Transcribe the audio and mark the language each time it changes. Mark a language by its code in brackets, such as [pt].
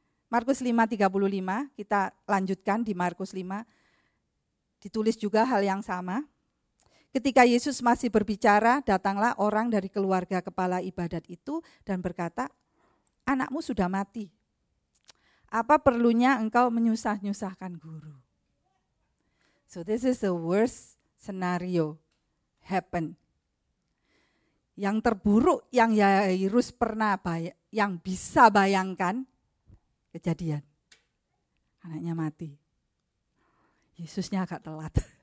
[id] Markus 5:35, kita lanjutkan di Markus 5. Ditulis juga hal yang sama. Ketika Yesus masih berbicara, datanglah orang dari keluarga kepala ibadat itu dan berkata, anakmu sudah mati. Apa perlunya engkau menyusah-nyusahkan guru? [en] So this is the worst scenario happen. [id] Yang terburuk yang Yairus pernah yang bisa bayangkan kejadian. Anaknya mati. Yesusnya agak telat.